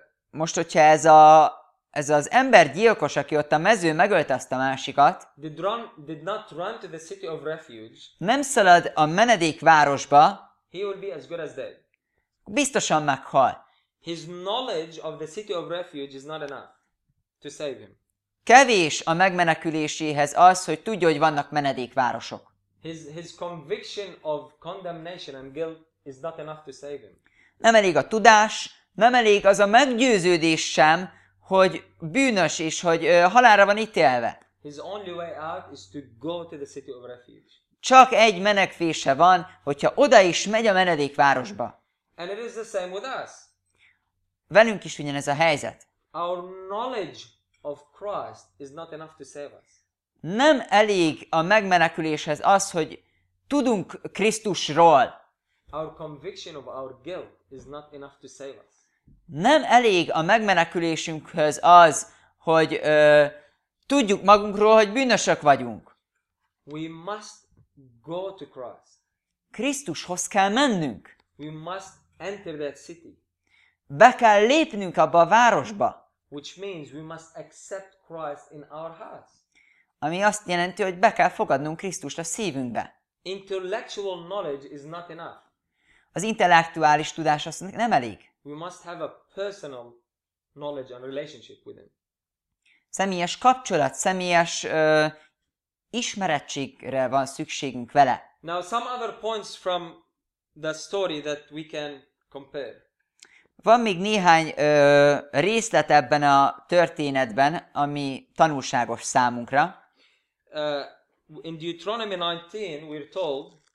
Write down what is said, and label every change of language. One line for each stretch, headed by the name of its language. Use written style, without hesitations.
Hungarian: Most, hogyha ez az embergyilkos, aki ott a mezőn megölte azt a másikat,
English: did not run to the city of refuge,
Hungarian: nem szalad a menedék városba,
English: he will be as good as dead.
Hungarian: Biztosan meghal.
English: His knowledge of the city of refuge is not enough to save him.
Hungarian: Kevés a megmeneküléséhez az, hogy tudja, hogy vannak menedékvárosok.
English: His conviction of condemnation and guilt is not enough to save him.
Hungarian: Nem elég a tudás, nem elég az a meggyőződés sem, hogy bűnös és hogy halálra van ítélve.
English: His only way out is to go to the city of refuge.
Hungarian: Csak egy menekvése van, hogyha oda is megy a menedékvárosba.
English: And it is the same with us.
Hungarian: Velünk is ugyanez a helyzet.
English: Our knowledge of Christ is not enough to save us.
Hungarian: Nem elég a megmeneküléshez az, hogy tudunk Krisztusról.
English: Our conviction of our guilt is not enough to save us.
Hungarian: Nem elég a megmenekülésünkhez az, hogy tudjuk magunkról, hogy bűnösök vagyunk.
English: We must go to Christ.
Hungarian: Krisztushoz kell mennünk.
English: We must enter that city.
Hungarian: Be kell lépnünk abba a városba.
English: Which means we must accept Christ in our hearts.
Hungarian: Ami azt jelenti, hogy be kell fogadnunk Krisztust a szívünkbe.
English: Intellectual knowledge is not enough.
Hungarian: Az intellektuális tudás az nem elég.
English: We must have a personal knowledge and relationship with him.
Hungarian: Személyes kapcsolat, személyes ismerettségre van szükségünk vele.
English: Now some other points from the story that we can compare.
Hungarian: Van még néhány részlet ebben a történetben, ami tanulságos számunkra.
English: In Deuteronomy 19 we're told.